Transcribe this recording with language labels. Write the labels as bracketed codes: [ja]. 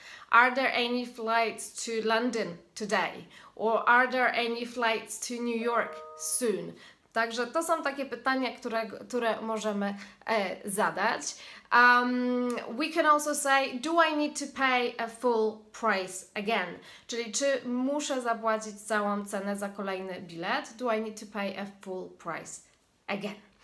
[en] Are there any flights to London today? Or are there any flights to New York soon? [pl] Także to są takie pytania, które możemy zadać. [en] We can also say, do I need to pay a full price again? [pl] Czyli czy muszę zapłacić całą cenę za kolejny bilet? [en] Do I need to pay a full price again?